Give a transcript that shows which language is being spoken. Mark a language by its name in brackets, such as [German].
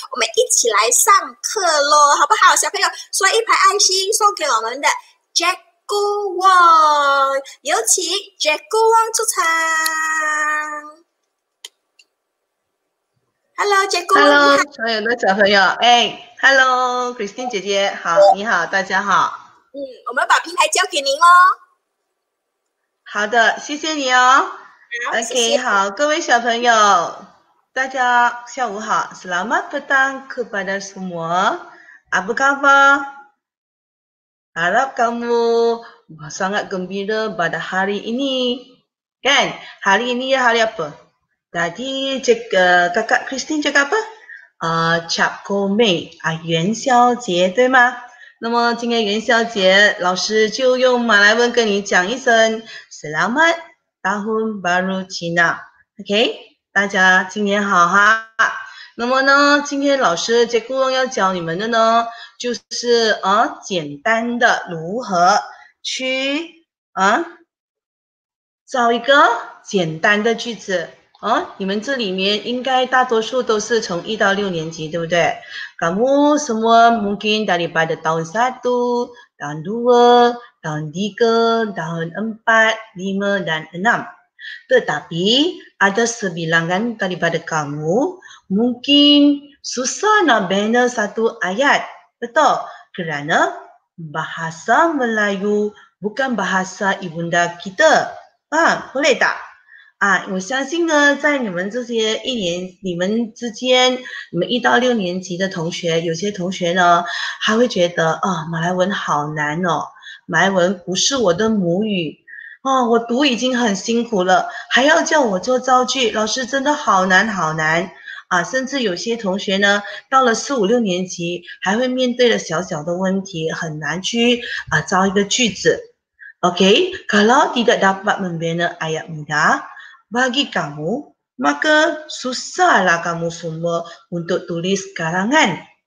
[Chinese] 我们一起来上课咯，好不好？小朋友刷一排爱心送给我们的 Jack Wong， 有请 Jack Wong 出场。 [English] Hello，Jack Wong。 [Chinese] Hello， 所有的小朋友，哎 ，Hello，Christine 姐姐，好，你好，大家好。嗯，我们把平台交给您哦。好的，谢谢你哦。好，OK，谢谢好，各位小朋友，大家下午好 [Malay] ，Selamat petang kepada semua， apa khabar？ Harap kamu sangat gembira pada hari ini， kan？ Hari ini ya hari apa？ Tadi kakak Christine [Chinese] 这个不 [Malay] ，Chap Gomei 啊， [Chinese] 元宵节对吗？那么今天元宵节，老师就用马来文跟你讲一声 [Malay] Selamat Tahun Baru Cina， [Chinese] OK， 大家新年好哈。那么呢，今天老师这顾问要教你们的呢，就是简单的如何去找一个简单的句子。哦，你们这里面应该大多数都是从一到六年级，对不对 [Malay] ？Kamu semua mungkin daripada tahun satu, tahun dua, tahun tiga, tahun empat, lima dan enam. Tetapi ada sebilangan daripada kamu mungkin susah nak bina satu ayat, betul? Kerana bahasa Melayu bukan bahasa ibunda kita. Ah, boleh tak? [Chinese] Ah, 我相信呢，在你们这些一年，你们之间，你们一到六年级的同学，有些同学呢，还会觉得啊，马来文好难哦，马来文不是我的母语，啊，我读已经很辛苦了，还要叫我做造句，老师真的好难好难啊！甚至有些同学呢，到了四五六年级，还会面对了小小的问题，很难去啊造一个句子。 [Malay] Okay, kalau tidak dapat membina ayat mudah bagi kamu, maka susahlah kamu semua untuk tulis karangan.